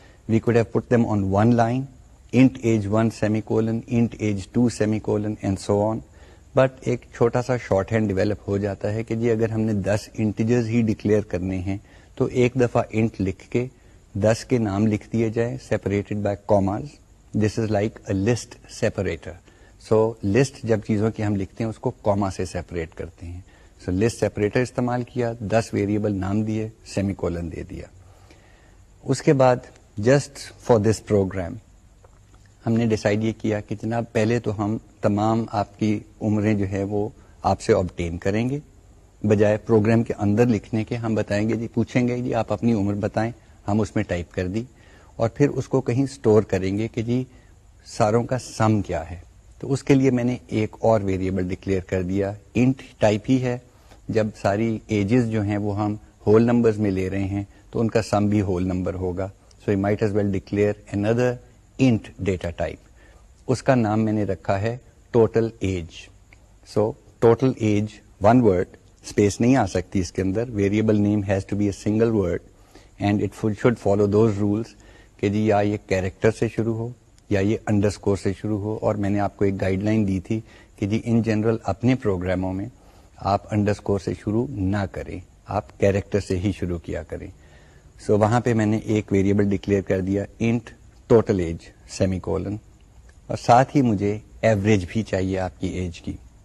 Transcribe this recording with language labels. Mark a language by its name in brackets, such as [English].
[English] We could have put them on one line, int age 1 semicolon, int age 2 semicolon and so on. [Urdu] But ایک چھوٹا سا short hand develop ہو جاتا ہے کہ جی اگر ہم نے 10 انٹیجرز ہی ڈکلیئر کرنے ہیں تو ایک دفعہ انٹ لکھ کے 10 کے نام لکھ دیے جائیں separated by commas. [English] This is like a list separator. [Urdu] So list جب چیزوں کی ہم لکھتے ہیں اس کو کاما سے سیپریٹ کرتے ہیں. سو لسٹ سیپریٹر استعمال کیا, 10 ویریبل نام دیے, سیمی کولن دے دیا. اس کے بعد [English] just for this program [Urdu] ہم نے ڈیسائیڈ یہ کیا کہ جناب پہلے تو ہم تمام آپ کی عمریں جو ہے وہ آپ سے آبٹین کریں گے, بجائے پروگرام کے اندر لکھنے کے ہم بتائیں گے جی, پوچھیں گے جی آپ اپنی عمر بتائیں, ہم اس میں ٹائپ کر دی اور پھر اس کو کہیں سٹور کریں گے کہ جی ساروں کا سم کیا ہے. تو اس کے لیے میں نے ایک اور ویریبل ڈکلیئر کر دیا, انٹ ٹائپ ہی ہے, جب ساری ایجز جو ہیں وہ ہم ہول نمبرز میں لے رہے ہیں تو ان کا سم بھی ہول نمبر ہوگا. [English] So you might as well declare اندر int data type. [Urdu] اس کا نام میں نے رکھا ہے total age. [English] So total age one word, space [Urdu] نہیں آ سکتی اس کے اندر, [English] variable name has to be a single word and it should follow those rules [Urdu] کہ جی یا یہ character سے شروع ہو [English] یا یہ underscore سے شروع ہو. [Urdu] اور میں نے آپ کو ایک guideline لائن دی تھی کہ جی ان جنرل اپنے پروگراموں میں آپ انڈرسکور سے شروع نہ کریں, آپ کیریکٹر سے ہی شروع کیا کریں. سو وہاں پہ میں نے ایک ویریبل ڈکلیئر کر دیا int total age semi colon, اور ساتھ ہی مجھے ایوریج بھی چاہیے آپ کی ایج کی.